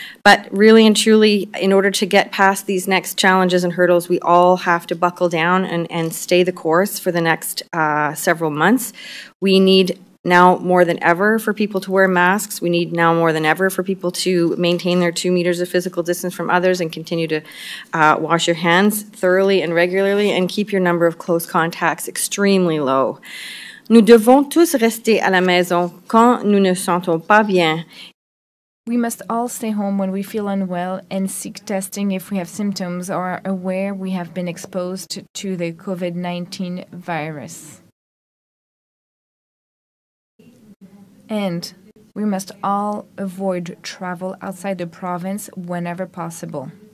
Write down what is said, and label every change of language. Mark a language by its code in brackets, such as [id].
[en] But really and truly, in order to get past these next challenges and hurdles, we all have to buckle down and stay the course for the next several months. We need now more than ever for people to wear masks. We need now more than ever for people to maintain their 2 meters of physical distance from others and continue to wash your hands thoroughly and regularly and keep your number of close contacts extremely low. [fr] Nous devons tous rester à la maison quand nous ne sentons pas bien. [en] We must all stay home when we feel unwell and seek testing if we have symptoms or are aware we have been exposed to the COVID-19 virus. And we must all avoid travel outside the province whenever possible.